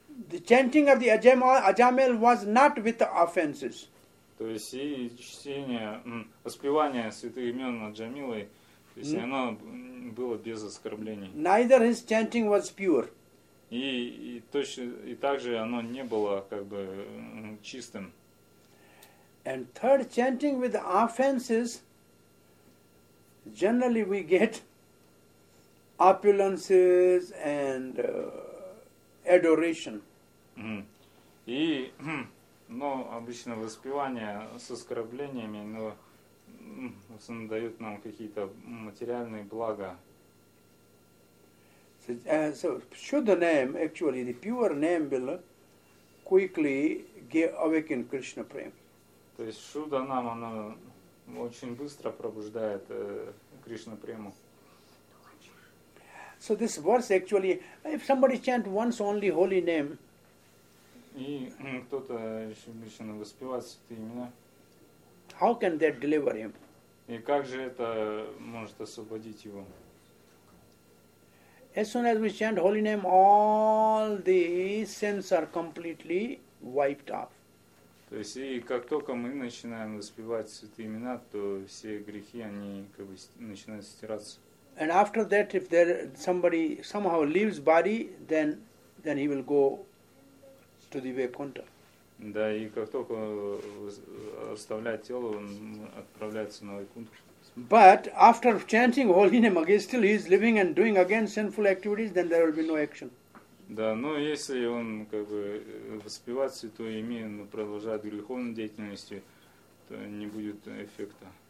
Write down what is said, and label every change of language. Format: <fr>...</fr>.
<en>The chanting of the Ajamil was not with the offenses.</en> <ru>То есть и чтение, воспевание святых имен Аджамилы, то есть оно было без оскорблений.</ru> <en>Neither his chanting was pure.</en> <ru>И также оно не было как бы чистым.</ru> <en>And third, chanting with offenses, generally we get opulences and adoration. Mm-hmm.</en> <ru>И, но обычно воспевание с оскорблениями, но в основном дают нам какие-то материальные блага.</ru> <en>So should the name, actually the pure name, will quickly awaken Krishna prema.</en> <ru>То есть Шуда Нам, она очень быстро пробуждает Кришна прему.</ru> <en>So this verse actually, if somebody chant once only holy name.</en> <ru>И кто-то еще обычно воспевает святые имена.</ru> <en>How can that deliver him?</en> <ru>И как же это может освободить его?</ru> <en>As soon as we chant holy name, all the sins are completely wiped off.</en> <ru>То есть и как только мы начинаем воспевать святые имена, то все грехи они как бы начинают стираться.</ru> <en>And after that, if there somebody somehow leaves body, then he will go to the Vaikuntha.</en> <ru>Да, и как только оставляет тело, он отправляется на Вайкунтху.</ru> <en>But after chanting holy name again, still he is living and doing again sinful activities, then there will be no action.</en> <ru>Да, но если он как бы воспевает святое имя, но продолжает греховной деятельностью, то не будет эффекта.</ru>